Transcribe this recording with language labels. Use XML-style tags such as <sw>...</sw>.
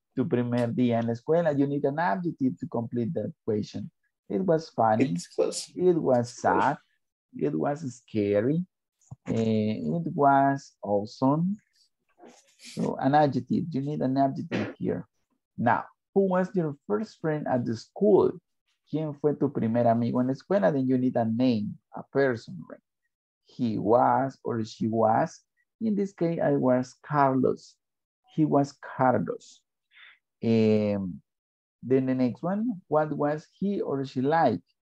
<es>Tu primer día en la escuela.</es> <en>You need an adjective to complete that question. It was funny. It was sad. It was scary. It was awesome. So an adjective. You need an adjective here. Now, who was your first friend at the school?</en> <es>¿Quién fue tu primer amigo en la escuela?</es> <en>Then you need a name, a person, right? He was or she was. In this case, I was Carlos. He was Carlos. Then the next one, what was he or she like?</en>